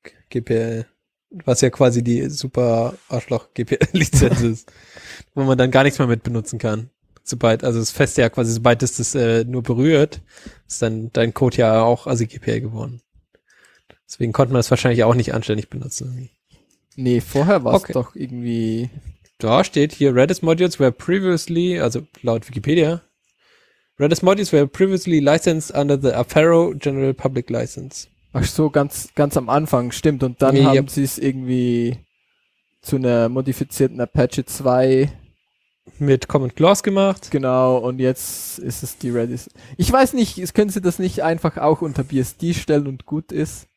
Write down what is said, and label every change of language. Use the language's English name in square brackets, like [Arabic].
[German] GPL, was ja quasi die super Arschloch-GPL-Lizenz ist, wo man dann gar nichts mehr mit benutzen kann. Sobald, also das Feste ja quasi, sobald es das nur berührt, ist dann dein Code ja auch ASI-GPL geworden. Deswegen konnte man das wahrscheinlich auch nicht anständig benutzen. Nee, vorher war es okay. Doch irgendwie... Da steht hier, [English] Redis Modules were previously, [German] also laut Wikipedia, [English] Redis Modules were previously licensed under the Apero General Public License. [German] Ach so, ganz am Anfang, stimmt. Und dann haben sie es irgendwie zu einer modifizierten Apache 2 mit Common Clause gemacht. Genau, und jetzt ist es die Redis. Ich weiß nicht, können sie das nicht einfach auch unter BSD stellen und gut ist?